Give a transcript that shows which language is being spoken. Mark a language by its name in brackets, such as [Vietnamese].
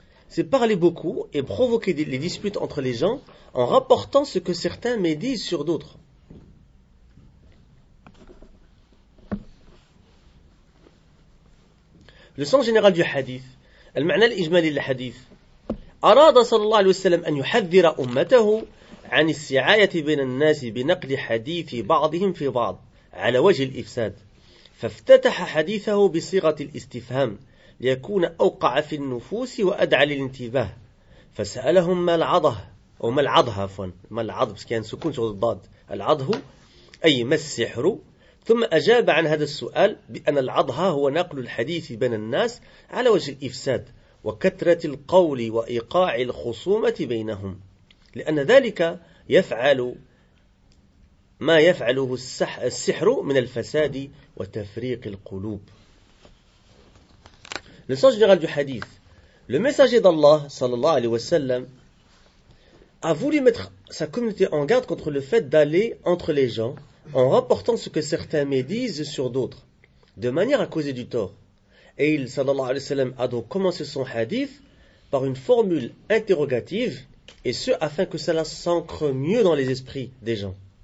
[French] C'est parler beaucoup et provoquer les disputes entre les gens en rapportant ce que certains médisent sur d'autres. Le sens général du hadith, [Arabic] المعنى الإجمالي للحديث. أراد صلى الله عليه وسلم أن يحذر أمته عن السعاية بين الناس بنقل حديث بعضهم في بعض. على وجه الإفساد فافتتح حديثه بصيغة الاستفهام ليكون أوقع في النفوس وأدعى للانتباه فسألهم ما العضه أو ما العضه عفوا ما العضه بس كان سكون شغل الضاد العضه أي ما السحر ثم أجاب عن هذا السؤال بأن العضه هو نقل الحديث بين الناس على وجه الإفساد وكثرة القول وإيقاع الخصومة بينهم لأن ذلك يفعل ما يفعله السحر من الفساد وتفريق القلوب. [French] Le sens général du hadith. Le messager d'Allah, sallallahu alayhi wa sallam, a voulu mettre sa communauté en garde contre le fait d'aller entre les gens en rapportant ce que certains médisent sur d'autres, de manière à causer du tort. Et il, sallallahu alayhi wa sallam, a donc commencé son hadith par une formule interrogative, et ce afin que cela s'ancre mieux dans les esprits des gens.